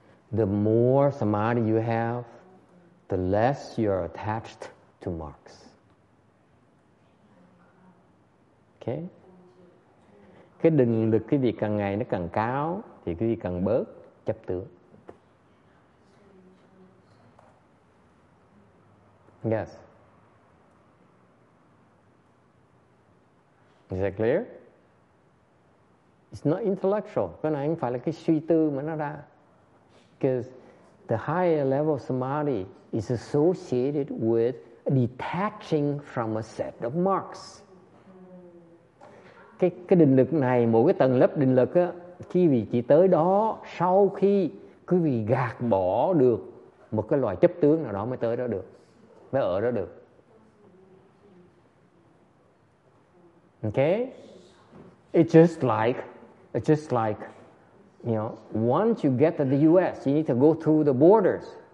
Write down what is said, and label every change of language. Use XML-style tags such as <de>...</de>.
<en>The more samadhi you have, the less you are attached to marks. Okay?</en> <vi>Cái định lực cái việc càng ngày nó càng cao thì cái việc càng bớt chấp tướng.</vi> <en>Yes. Is that clear? It's not intellectual.</en> <vi>Cái này không phải là cái suy tư mà nó ra.</vi> <en>Because the higher level of samadhi is associated with detaching from a set of marks.</en> <vi>Cái định lực này, mỗi cái tầng lớp định lực á, khi vì chỉ tới đó, sau khi quý vị gạt bỏ được một cái loại chấp tướng nào đó mới tới đó được, mới ở đó được.</vi> <en>Okay? It's just like, you know, once you get to the US, you need to go through the borders.</en>